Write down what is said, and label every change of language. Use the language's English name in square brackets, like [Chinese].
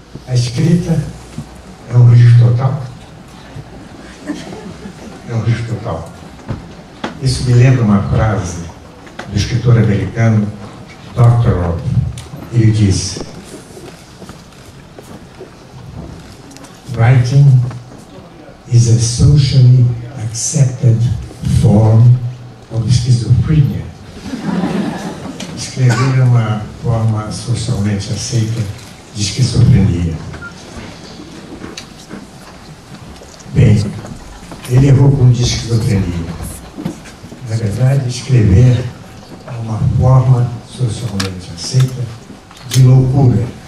[Portuguese] A escrita é um lixo total. É um lixo total. Isso me lembra uma frase do escritor americano Dr. Robb. Ele disse: [English] Writing is a socially accepted form of schizophrenia. [Portuguese] Escrever é uma forma socialmente aceita de esquizofrenia. Bem, ele errou com esquizofrenia. Na verdade, escrever é uma forma socialmente aceita de loucura.